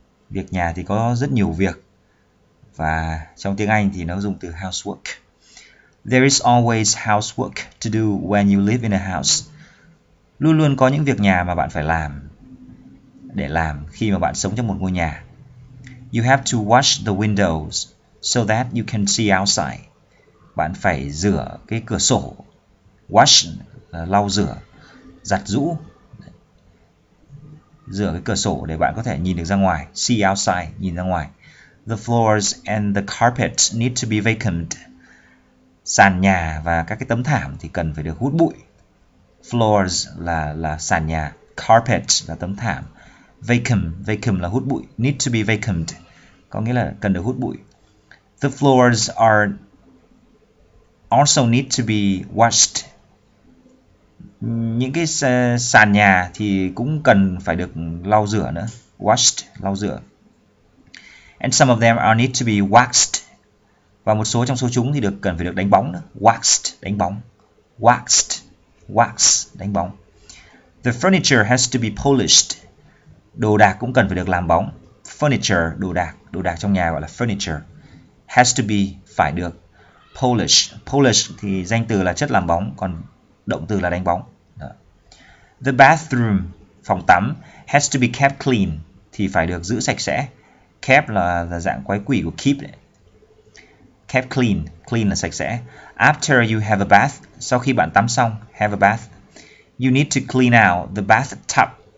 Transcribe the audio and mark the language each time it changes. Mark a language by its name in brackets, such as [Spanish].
[Vietnamese] Việc nhà thì có rất nhiều việc. Và trong tiếng Anh thì nó dùng từ housework. [English] There is always housework to do when you live in a house. [Vietnamese] Luôn luôn có những việc nhà mà bạn phải làm, để làm khi mà bạn sống trong một ngôi nhà. [English] You have to wash the windows so that you can see outside. [Vietnamese] Bạn phải rửa cái cửa sổ. Wash là lau rửa, giặt rũ. Rửa cái cửa sổ để bạn có thể nhìn được ra ngoài. [English] See outside, [Vietnamese] nhìn ra ngoài. [English] The floors and the carpet need to be vacuumed. [Vietnamese] Sàn nhà và các cái tấm thảm thì cần phải được hút bụi. Floors là sàn nhà. Carpet là tấm thảm. Vacuum là hút bụi. [English] Need to be vacuumed. [Vietnamese] Có nghĩa là cần được hút bụi. [English] The floors are also need to be washed. [Vietnamese] Những cái sàn nhà thì cũng cần phải được lau rửa nữa. Washed, lau rửa. [English] And some of them are need to be waxed. [Vietnamese] Và một số trong số chúng thì được cần phải được đánh bóng nữa. Waxed, đánh bóng. [English] Waxed, wax, [Vietnamese] đánh bóng. [English] The furniture has to be polished. [Vietnamese] Đồ đạc cũng cần phải được làm bóng. Furniture, đồ đạc trong nhà gọi là furniture. Has to be, phải được. Polish, polish thì danh từ là chất làm bóng, còn động từ là đánh bóng. Đó. [English] The bathroom, [Vietnamese] phòng tắm, [English] has to be kept clean, [Vietnamese] thì phải được giữ sạch sẽ. Kept là dạng quái quỷ của keep. Kept clean, clean là sạch sẽ. [English] After you have a bath, [Vietnamese] sau khi bạn tắm xong, [English] have a bath, you need to clean out the bathtub.